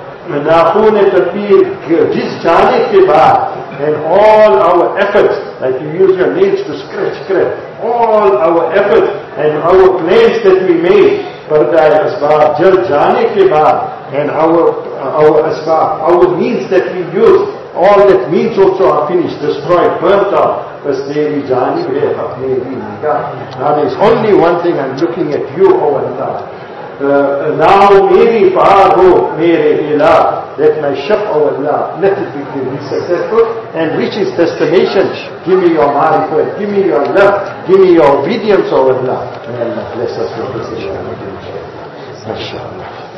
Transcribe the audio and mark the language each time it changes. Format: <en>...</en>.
<ur>Naakhoon e tadbeer jis jaane ke baad,</ur> <en>and all our efforts, like you use your nails to scratch, all our efforts and our plans that we made,</en> <ur>pardae asbaab jal jaane ke baad,</ur> <en>and our asbaab, our means that we used, all that means also are finished, destroyed, burnt out.</en> <ur>بس تیری جانب ہے اپنے بھی نگاہ.</ur> <en>That is only one thing I'm looking at you, O Allah. Now</en> <ur>میری پار ہو میرے الہ.</ur> <en>Let my ship, O Allah, let it be successful and reach its destination. Give me your marifat, give me your love, give me your obedience, O Allah. May Allah bless us with this issue. MashaAllah.</en>